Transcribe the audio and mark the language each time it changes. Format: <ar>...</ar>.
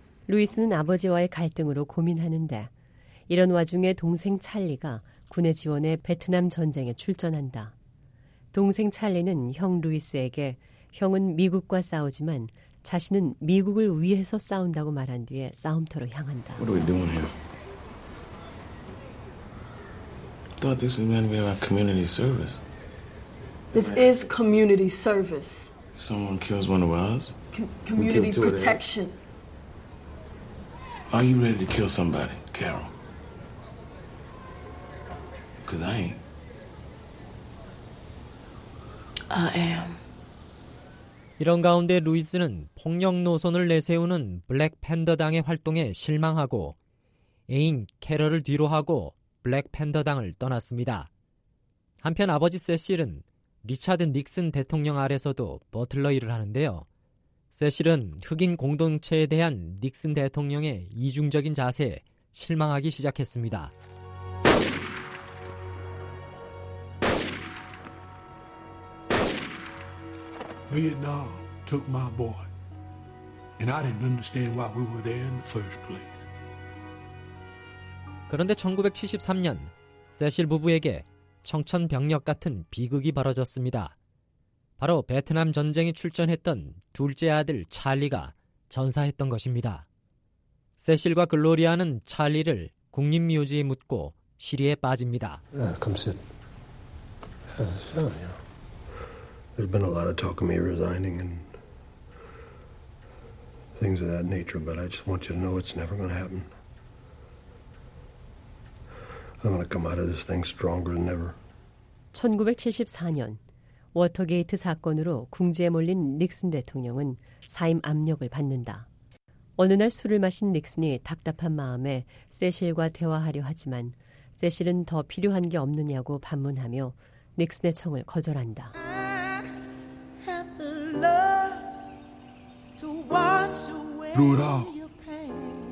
<ko>루이스는 아버지와의 갈등으로 고민하는데 이런 와중에 동생 찰리가 군에 지원해 베트남 전쟁에 출전한다. 동생 찰리는 형 루이스에게 형은 미국과 싸우지만 자신은 미국을 위해서 싸운다고 말한 뒤에 싸움터로 향한다.</ko> <en>What are we doing here? I thought this was meant to be like community service. This right. is community service. Someone kills one of us. Community protection. Are you ready to kill somebody, Carol? Because I ain't. I am.</en> <ko>이런 가운데 루이스는 폭력 노선을 내세우는 블랙 팬더당의 활동에 실망하고 애인 캐럴을 뒤로하고 블랙 팬더당을 떠났습니다. 한편 아버지 세실은 리차드 닉슨 대통령 아래서도 버틀러 일을 하는데요. 세실은 흑인 공동체에 대한 닉슨 대통령의 이중적인 자세에 실망하기 시작했습니다.</ko> <en>베트남 took my boy. And I didn't understand why we were there in the first place.</en> <ko>그런데 1973년 세실 부부에게 청천벽력 같은 비극이 벌어졌습니다. 바로 베트남 전쟁에 출전했던 둘째 아들 찰리가 전사했던 것입니다. 세실과 글로리아는 찰리를 국립묘지에 묻고 시리에 빠집니다.</ko> <en>Yeah, come sit. Yeah, so, you know, there's been a lot of talk of me resigning and things of that nature, but I just want you to know it's never going to happen. I'm gonna come out of this thing stronger than ever.</en> <ko>1974년 워터게이트 사건으로 궁지에 몰린 닉슨 대통령은 사임 압력을 받는다. 어느 날 술을 마신 닉슨이 답답한 마음에 세실과 대화하려 하지만 세실은 더 필요한 게 없느냐고 반문하며 닉슨의 청을 거절한다.</ko> <en>I have the love to wash away your pain.</en>